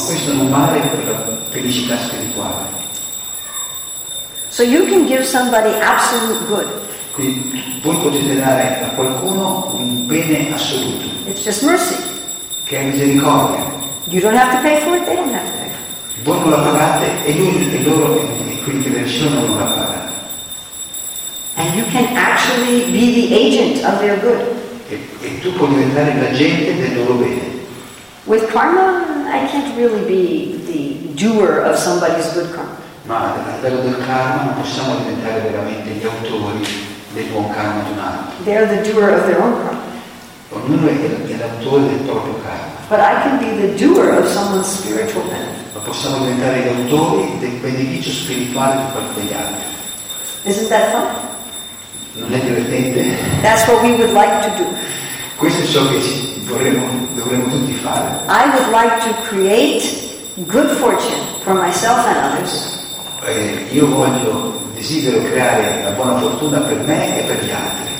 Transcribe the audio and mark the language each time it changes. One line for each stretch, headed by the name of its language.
Italian: Ma questo non vale per la felicità spirituale.
English: So you can give somebody absolute good.
Italian: Quindi voi potete dare a qualcuno un bene assoluto.
English: It's just mercy.
Italian: Che è misericordia.
English: You don't have to pay for it, they don't have to pay.
Italian: Voi non la pagate e lui e loro e quindi che nessuno non la paga.
English: And you can actually be the agent of their good.
Italian: E tu puoi diventare l'agente del loro bene.
English: With karma, I can't really be the doer of somebody's good karma.
Italian: Ma a livello del karma non possiamo diventare veramente gli autori del buon karma di un altro.
English: They are the doer of their own karma.
Italian: Ognuno è l'autore del proprio karma.
English: But I can be the doer of someone's spiritual benefit.
Italian: Ma possiamo diventare gli autori del beneficio spirituale di qualcun altro.
English: Isn't that fun?
Italian: Non è divertente?
English: That's what we would like to do.
Italian: Questo è ciò che dovremmo tutti fare.
English: I would like to create good fortune for myself and others.
Italian: Io voglio, desidero creare la buona fortuna per me e per gli altri.